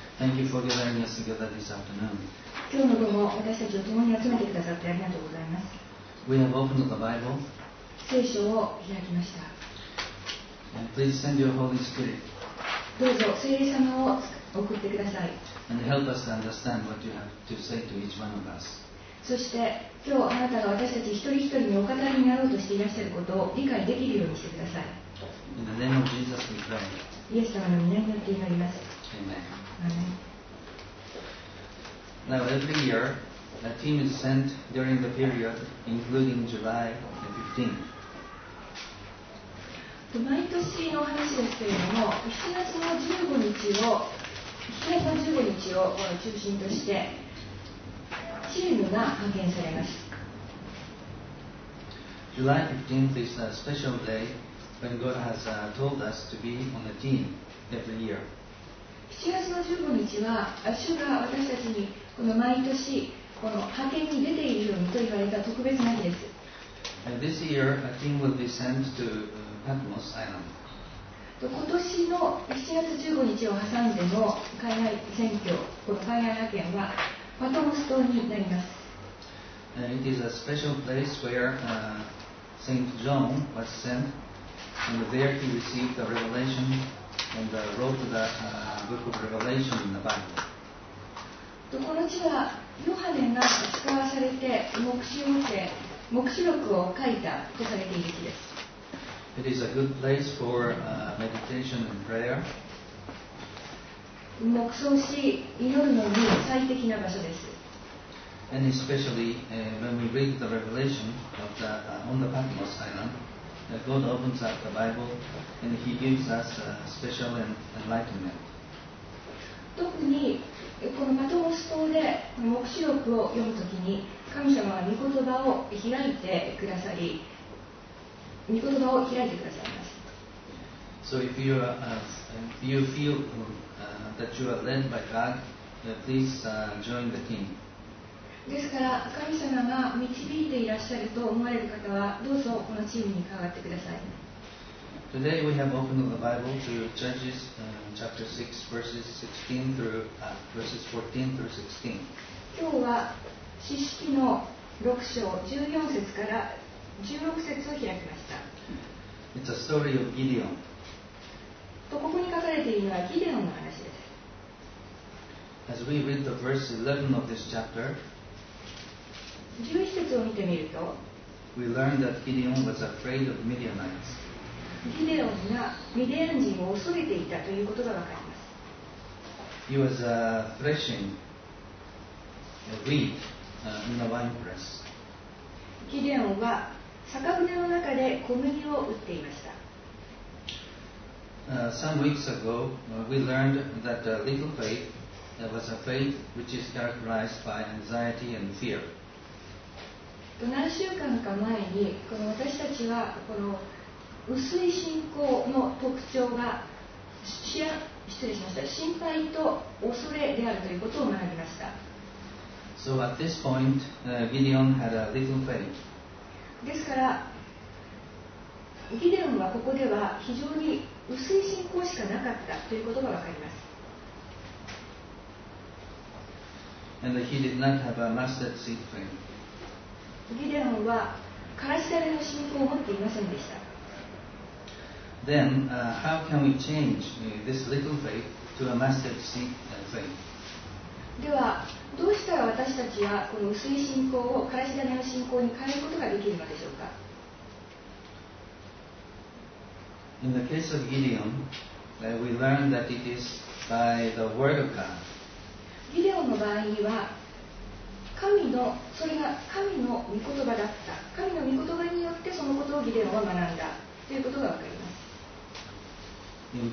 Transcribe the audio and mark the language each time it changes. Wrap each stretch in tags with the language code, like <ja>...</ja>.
<en>Thank you for gathering us together this afternoon.</en> <ja>今日の午後、私たちを共に集めてくださってありがとうございます。</ja> <en>We have opened the Bible.</en> <ja>聖書を開きました。</ja> <en>And please send your Holy Spirit.</en> <ja>どうぞ聖霊様を送ってください。</ja> <en>And help us to understand what you have to say to each one of us.</en> <ja>そして今日あなたが私たち一人一人にお語りになろうとしていらっしゃることを理解できるようにしてください。</ja> <en>In the name of Jesus, we pray.</en> <ja>イエス様の御名によって祈ります。</ja> <en>Amen. Amen. Now every year, a team is sent during the period, including July 15th.</en> <ja>毎年の話ですけれども、7月の15日を、中心として、チームが派遣されます。</ja> <en>July 15th is a special day. When God has told us to be on a team every year.</en> <ja>7月の15日は主が私たちにこの毎年この派遣に出ているようにと言われた特別な日です。</ja> <en>This year, a team will be sent to Patmos Island.</en> <ja>今年の7月15日を挟んでの海外選挙、この海外派遣はパトモス島になります。</ja> <en>It is a special place where Saint John was sent. And there he received the revelation and wrote the book of Revelation in the Bible.</en> <ja>この地はヨハネが使わされて黙示録を書いたとされている地です。</ja> <en>It is a good place for meditation and prayer.</en> <ja>黙想し祈るのに最適な場所です。</ja> <en>And especially when we read the revelation of the, on the Patmos Island,That God opens up the Bible and He gives us a special enlightenment.</en> <ja>特にこのパトモス島で黙示録を読むときに神様は御言葉を開いてくださり御言葉を開いてくださいます。</ja> <en>So if you, if you feel that you are led by God, please join the team.</en> <ja>ですから神様が導いていらっしゃると思われる方はどうぞこのチームに伺ってください。</ja> <en>Today we have opened the Bible to Judges chapter 6 verses 16 through verses 14 through 16.</en> <ja>今日は四世紀の 6章14節から16節を開きました。</ja> <en>It's a story of Gideon.</en> <ja>とここに書かれているのはギデオンの話です。</ja> <en>As we read the verse 11 of this chapter,</en> <ja>11節を見てみると、</ja> <en>We learn that Gideon was afraid of Midianites.</en> <ja>ギデオンがミディアン人を恐れていたということがわかります。</ja> <en>He was a threshing a wheat in the wine press.</en> <ja>ギデオンは酒舟の中で小麦を打っていました。</ja> <en>Some weeks ago, we learned that a little faith that was a faith which is characterized by anxiety and fear.</en> <ja>何週間か前に、この私たちはこの薄い信仰の特徴が心配と恐れであるということを学びました。</ja> <en>So at this point, Gideon had a little faith.</en> <ja>ですからギデオンはここでは非常に薄い信仰しかなかったということがわかります。</ja> <en>And he did not have a mustard seed faith.</en> <ja>ギデオンはからし種の信仰を持っていませんでした。</ja> <en>Then, how can we change this little faith to a mustard seed faith?</en> <ja>ではどうしたら私たちはこの薄い信仰をからし種の信仰に変えることができるのでしょうか。</ja> <en>In the case of Gideon, we learn that it is by the word of God.</en> <ja>ギデオンの場合には神の、それが神の御言葉だった、神の御言葉によってそのことをギデオンは学んだということがわかります。</ja>